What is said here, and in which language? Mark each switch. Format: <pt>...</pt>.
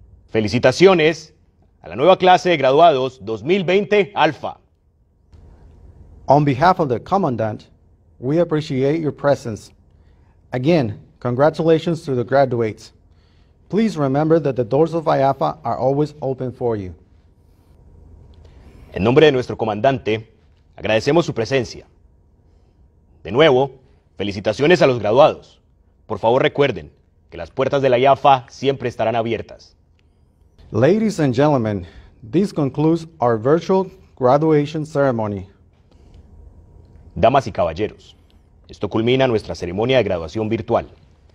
<es>Felicitaciones a la nueva clase de graduados 2020 Alpha.</es> <en>On behalf of the Commandant, we appreciate your presence. Again, congratulations to the graduates. Please remember that the doors of IAFA are always open for you.</en> <es>En nombre de nuestro comandante, agradecemos su presencia. De nuevo, felicitaciones a los graduados. Por favor, recuerden que las puertas de la IAFA siempre estarán abiertas.</es> <en>Ladies and gentlemen, this concludes our virtual graduation ceremony.</en> <es>Damas y caballeros, esto culmina nuestra ceremonia de graduación virtual.</es>